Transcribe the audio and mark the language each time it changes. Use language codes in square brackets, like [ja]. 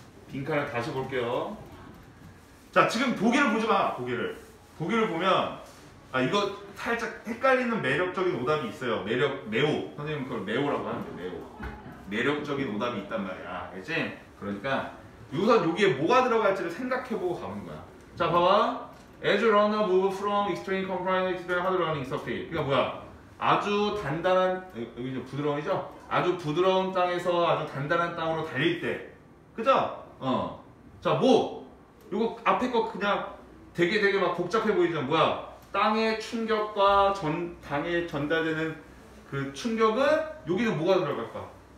[ko] 빈칸을 다시 볼게요. 자, 지금 보기를 보지 마, 보기를. 보기를 보면 아 이거 살짝 헷갈리는 매력적인 오답이 있어요. 매력 매우 선생님 그걸 매우라고 하는데 매우 매력적인 오답이 있단 말이야. 알겠지? 그러니까 우선 여기에 뭐가 들어갈지를 생각해보고 가는 거야. 자 봐봐. [en] As a runner move from extreme compliance to hard running surface. [ko] 그러니까 뭐야? 아주 단단한 여기 좀 부드러움이죠? 아주 부드러운 땅에서 아주 단단한 땅으로 달릴 때. 그죠? 어. 자 뭐? 이거 앞에 거 그냥 되게 막 복잡해 보이죠? 뭐야? 땅의 충격과 땅에 전달되는 그 충격은 여기는 뭐가 들어갈까?